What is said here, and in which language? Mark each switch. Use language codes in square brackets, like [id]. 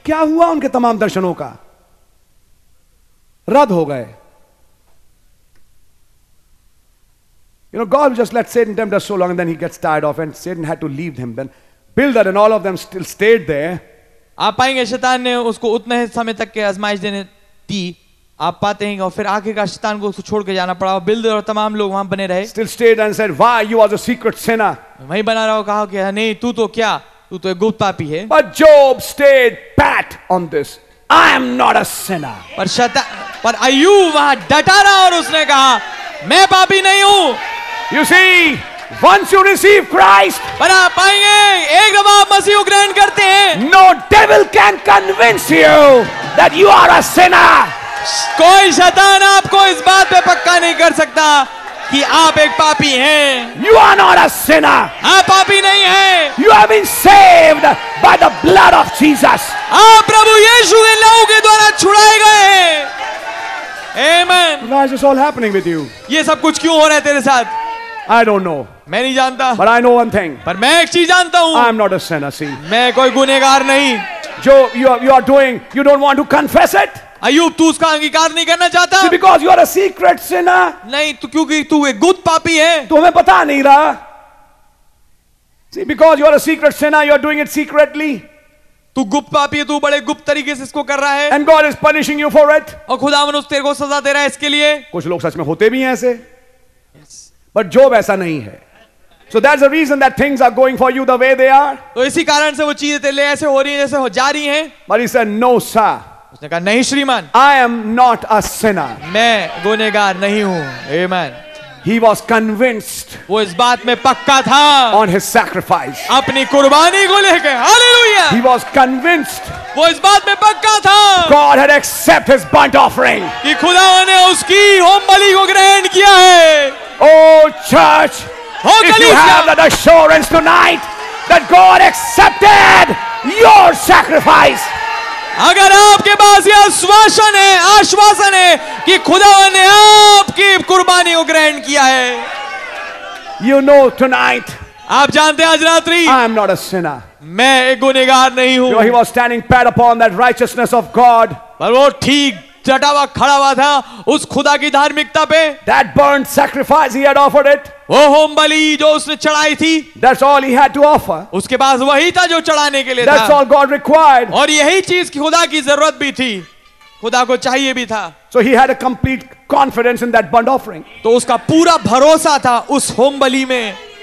[hi] क्या हुआ उनके तमाम दर्शनों का रद्द हो गए [en] you know God just let Satan tempt us so long and then he gets tired of and Satan had to leave him then Bildad and all of them still stayed there [hi] आप पाएंगे शैतान ने उसको उतने समय तक के आजमाइश देने दी आप पाते हैं और फिर आखिर का शैतान को उसको छोड़ के जाना पड़ा बिल्डर और तमाम लोग वहां बने रहे [en] Still stayed and said, "Why, you are the secret sinner." [hi] वहीं बना रहा हो कहा कि नहीं तू तो क्या तू तो एक गुप्त पापी है [en] But Job stayed pat on this. I am not a sinner. [hi] पर शैतान पर अय्यूब वहां डटा रहा और उसने कहा मैं पापी नहीं हूं [en] you see Once you receive Christ, [hi] पर आप पाएंगे एक बार मसीह को ग्रहण करते हैं [en] No devil can convince you that you are a sinner. [hi] कोई शैतान आपको इस बात पे पक्का नहीं कर सकता कि आप एक पापी हैं [en] you are not a sinner [hi] आप पापी नहीं हैं [en] you have been saved by the blood of Jesus [hi] आप प्रभु यीशु के लहू के द्वारा छुड़ाए गए हैं आमेन [en] why is this all happening with you [hi] ये सब कुछ क्यों हो रहा है तेरे साथ [en] I don't know [hi] मैं नहीं जानता [en] but I know one thing [hi] पर मैं एक चीज जानता हूं [en] I am not a sinner see [hi] मैं कोई गुनहगार नहीं [en] जो you are doing you don't want to confess it [hi] अय्यूब तू उसका अंगीकार नहीं करना चाहता? [en] See, because you are a secret sinner. [hi] नहीं तो क्योंकि तू एक गुप्त पापी है, तुम्हें पता नहीं रहा. [en] See, because you are a secret sinner, you are doing it secretly. [hi] तू गुप्त पापी है, तू बड़े गुप्त तरीके से इसको कर रहा है. [en] And God is punishing you for it. [hi] और खुदावन उस तेरे को सजा दे रहा है इसके लिए. कुछ लोग सच में होते भी हैं ऐसे. [en] Yes. [hi] But Job ऐसा नहीं है. [en] So that's the reason that things are going for you the way they are. [hi] तो इसी कारण से वो चीजें तेरे लिए ऐसे हो रही हैं जैसे हो जा रही हैं. [en] But he said, "No, sir." [hi] उसने कहा, नहीं श्रीमान. [en] I am not a sinner. [hi] मैं गुनेगार नहीं हूँ. Amen. [en] He was convinced. [hi] वो इस बात में पक्का था. [en] On his sacrifice. [hi] अपनी कुर्बानी को लेके. Hallelujah. [en] He was convinced. [hi] वो इस बात में पक्का था. [en] God had accepted his burnt offering. [hi] कि खुदा ने उसकी होम बलि को ग्रहण किया है. [en] Oh, church. Oh, if you have that assurance tonight that God accepted your sacrifice. [hi] अगर आपके पास यह आश्वासन है, आश्वासन है कि खुदा ने आपकी कुर्बानी को ग्रहण किया है. [en] You know tonight. [hi] आप जानते हैं आज रात्रि. [en] I am not a sinner. [hi] मैं एक गुनेगार नहीं हूँ. [en] He was standing pat upon that righteousness of God. [hi] पर वो ठीक जटा हुआ खड़ा हुआ था उस खुदा की धार्मिकता पे. [en] That burnt sacrifice he had offered it. [hi] वो होम बलि जो उसने चढ़ाई थी. [en] That's all he had to offer. [hi] उसके पास वही था जो चढ़ाने के लिए [en] था. That's all God required. [hi] और यही चीज की खुदा की जरूरत भी थी, खुदा को चाहिए भी था. [en] So he had a complete confidence in that burnt offering. [hi] तो उसका पूरा भरोसा था उस होम बलि में.